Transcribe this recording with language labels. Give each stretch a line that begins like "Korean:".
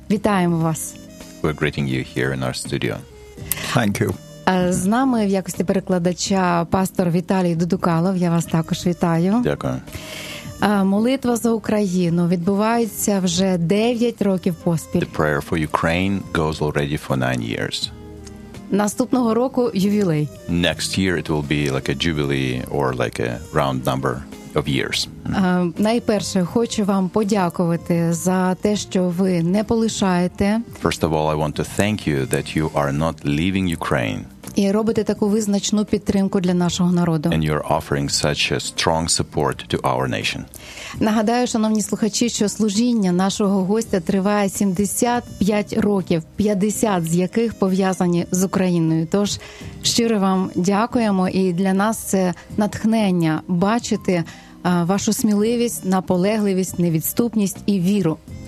Ukrainian: Вітаємо вас.
English: We're greeting you here in our studio. Thank you.
Ukrainian: З нами в якості перекладача пастор Віталій Дудукалов. Я вас також вітаю. Дякую. Молитва за Україну відбувається вже 9 років поспіль.
English: The prayer for Ukraine goes already for 9 years.
Ukrainian: Наступного року ювілей.
English: Next year it will be like a jubilee or like a round number of years.
Ukrainian: Найперше, хочу вам подякувати за те, що ви не полишаєте.
English: First of all, I want to thank you that you are not leaving Ukraine.
Ukrainian: І робите таку визначну підтримку для нашого народу.
English: And you're offering such a strong support to our nation.
Ukrainian: Нагадаю, шановні слухачі, що служіння нашого гостя триває 75 років, 50 з яких пов'язані з Україною. Тож, щиро вам дякуємо, і для нас це натхнення бачити вашу сміливість, наполегливість, невідступність і віру.